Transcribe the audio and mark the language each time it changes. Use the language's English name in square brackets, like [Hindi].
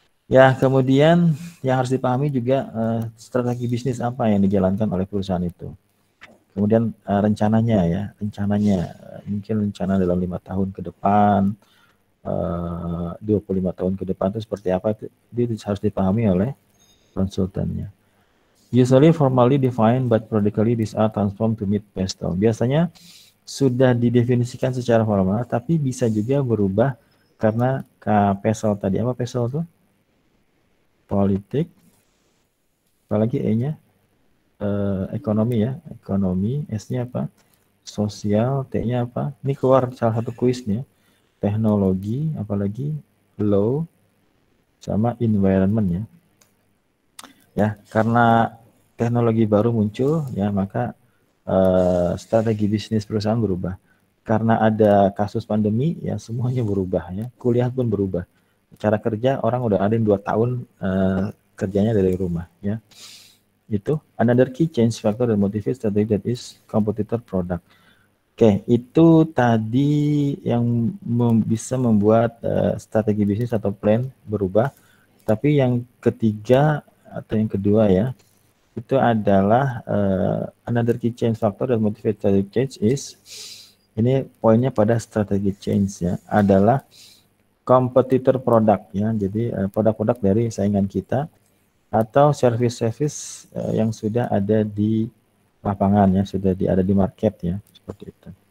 [Indonesian] Ya, kemudian yang harus dipahami juga strategi bisnis apa yang dijalankan oleh perusahaan itu. Kemudian rencananya ya, rencananya mungkin rencana dalam 5 tahun ke depan, 25 tahun ke depan itu seperti apa, itu harus dipahami oleh konsultannya. [English] Usually formally defined but practically these are transformed to meet best term. [Indonesian] Biasanya sudah didefinisikan secara formal tapi bisa juga berubah karena PESEL tadi. Apa PESEL itu? Politik. Apalagi E-nya? Ekonomi ya. Ekonomi. S-nya apa? Sosial. T-nya apa? Ini keluar salah satu kuisnya. Teknologi. Apalagi law. Sama environment ya. Ya, karena teknologi baru muncul, ya maka strategi bisnis perusahaan berubah. Karena ada kasus pandemi, ya semuanya berubah ya. Kuliah pun berubah. Cara kerja orang udah ada yang 2 tahun kerjanya dari rumah, ya. [English] Itu another key change factor that motivates strategy that is competitor product. [Indonesian] Oke, itu tadi yang bisa membuat strategi bisnis atau plan berubah. Tapi yang ketiga atau yang kedua ya, itu adalah [English] another key change factor that motivates strategic change is, [Indonesian] ini poinnya pada strategy change ya, adalah competitor product ya, jadi produk-produk dari saingan kita atau service-service yang sudah ada di lapangan ya, sudah ada di market ya, seperti itu.